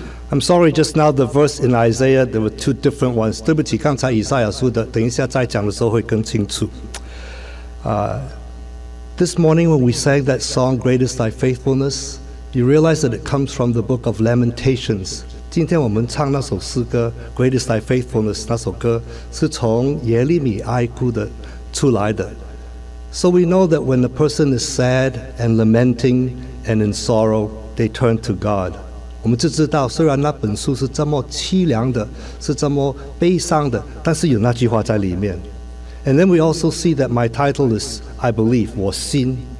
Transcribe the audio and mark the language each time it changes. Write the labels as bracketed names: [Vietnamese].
[English] I'm sorry, just now the verse in Isaiah, there were two different ones. [Chinese] 对不起, 刚才以赛亚书的, 等一下再讲的时候会更清楚。 [English] This morning when we sang that song, Great is Thy Faithfulness, you realize that it comes from the book of Lamentations. [Chinese] 今天我们唱那首诗歌, [English] Great is Thy Faithfulness, [Chinese] 那首歌, 是从耶利米哀哭的出来的。 [English] So we know that when a person is sad and lamenting and in sorrow, they turn to God. [Chinese] 我们就知道虽然那本书是这么凄凉的，是这么悲伤的，但是有那句话在里面。 [English] And then we also see that my title is I Believe, [Chinese] 我心。